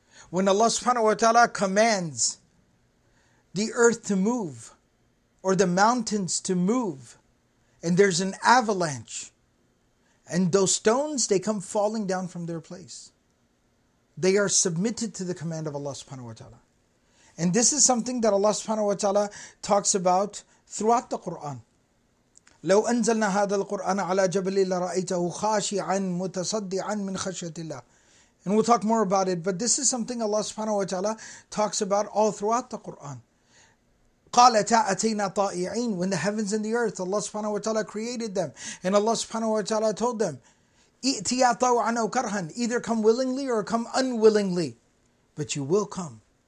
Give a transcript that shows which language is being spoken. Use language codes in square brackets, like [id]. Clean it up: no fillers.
[en] When Allah subhanahu wa ta'ala commands the earth to move or the mountains to move and there's an avalanche and those stones, they come falling down from their place. They are submitted to the command of Allah subhanahu wa ta'ala. And this is something that Allah subhanahu wa ta'ala talks about throughout the Qur'an. [ar] لو أنزلنا هذا القرآن على جبل لرأيته خاشعا متصدعا من خشية الله. [en] And we'll talk more about it. But this is something Allah subhanahu wa ta'ala talks about all throughout the Qur'an. [ar] قال تأتينا طائعين. [en] When the heavens and the earth, Allah subhanahu wa ta'ala created them. And Allah subhanahu wa ta'ala told them, [ar] إئتيا طوعا أو كرها. [en] Either come willingly or come unwillingly. But you will come.